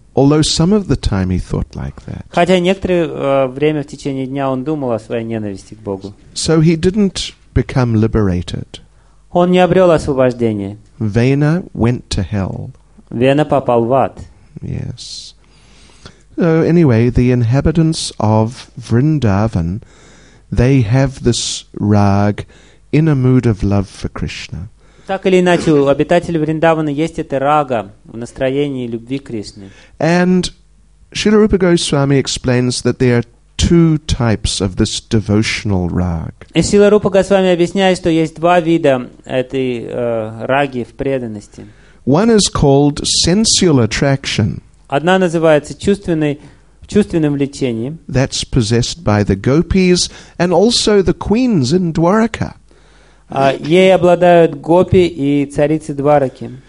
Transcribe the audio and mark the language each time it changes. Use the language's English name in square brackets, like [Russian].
[English] Although some of the time he thought like that. [Russian] Хотя некоторое время в течение дня он думал о своей ненависти к Богу. [English] So he didn't become liberated. [Russian] Он не обрел освобождение. [English] Vena went to hell. [Russian] Вена попал в ад. [English] Yes. So anyway, the inhabitants of Vrindavan, they have this rag in a mood of love for Krishna. [Russian] Так или иначе, у обитателей Вриндавана есть эта рага в настроении любви к Кришне. [English] And Srila Rupa Goswami explains that there are two types of this devotional rag. [Russian] И Srila Rupa Goswami объясняет, что есть два вида этой раги в преданности. [English] One is called sensual attraction. [Russian] Одна называется чувственным влечением. [English] That's possessed by the gopis and also the queens in Dwaraka. [Russian] Ей обладают гопи и царицы Двараки.